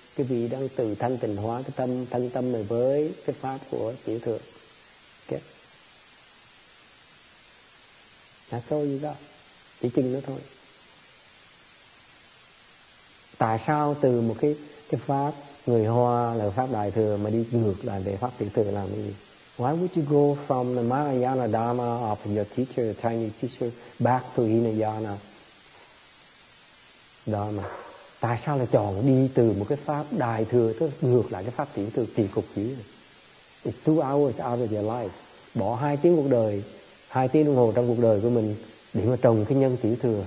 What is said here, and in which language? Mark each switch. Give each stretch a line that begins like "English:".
Vietnamese: Cái vị đang tự thanh tịnh hóa cái tâm, thanh tâm này với cái pháp của tiểu thừa. Okay.
English: That's all you got.
Vietnamese: Chỉ chừng đó thôi. Tại sao từ một cái pháp người Hoa là pháp đại thừa mà đi ngược lại về pháp tiểu thừa làm gì?
English: Why would you go from the Mahayana Dharma of your teacher, the Chinese teacher, back to Hinayana Dharma?
Vietnamese: Tại sao lại chọn đi từ một cái pháp đại thừa tức ngược lại cái pháp tiểu thừa kỳ cục dữ?
English: It's 2 hours out of your life.
Vietnamese: Bỏ 2 tiếng cuộc đời, 2 tiếng đồng hồ trong cuộc đời của mình để mà trồng cái nhân tiểu thừa.